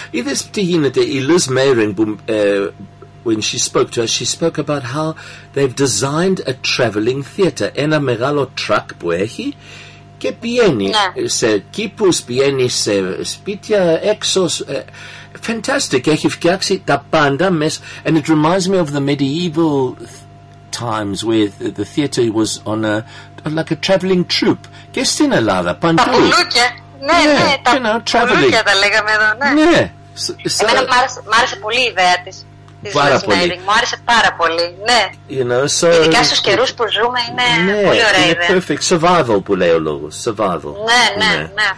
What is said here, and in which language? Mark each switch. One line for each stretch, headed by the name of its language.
Greek: Είδες τι γίνεται, η Liz Mayring,
English: when she spoke to us, she spoke about how they've designed a traveling theater,
Greek: ένα μεγάλο truck που έχει και πηγαίνει σε κήπους, πηγαίνει σε σπίτια, έξω.
English: Fantastic,
Greek: έχει φτιάξει τα πάντα μέσα.
English: And it reminds me of the medieval times where the theater was on a like a traveling troupe.
Greek: Και στην Ελλάδα, παντού. Τα πουλούκια. Ναι,
English: yeah,
Greek: ναι, τα πουλούκια τα λέγαμε εδώ. Ναι. Ναι. Εμένα μ' άρεσε πολύ η ιδέα της. Πάρα πολύ. Μου άρεσε πάρα πολύ. Ναι.
English: You know, so,
Greek: ειδικά στους καιρούς που ζούμε είναι πολύ ωραία ιδέα. Είναι
English: perfect survival
Greek: που λέει ο λόγος.
English: Survival.
Greek: Ναι.